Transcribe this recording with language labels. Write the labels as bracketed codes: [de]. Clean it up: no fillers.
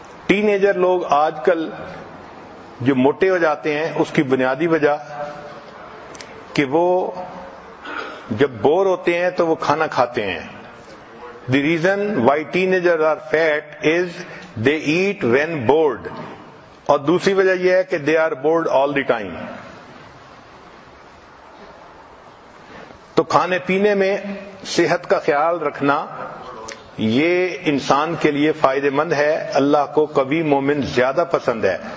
[ur] Teenager لوگ آج کل جو موٹے ہو جاتے ہیں اس کی بنیادی وجہ کہ وہ جب بور ہوتے ہیں تو وہ کھانا کھاتے ہیں. [en] The reason why teenagers are fat is they eat when bored. [ur] اور دوسری وجہ یہ ہے کہ [en] They are bored all the time. [ur] تو کھانے پینے میں صحت کا خیال رکھنا یہ انسان کے لیے فائدہ مند ہے, اللہ کو کبھی مومن زیادہ پسند ہے.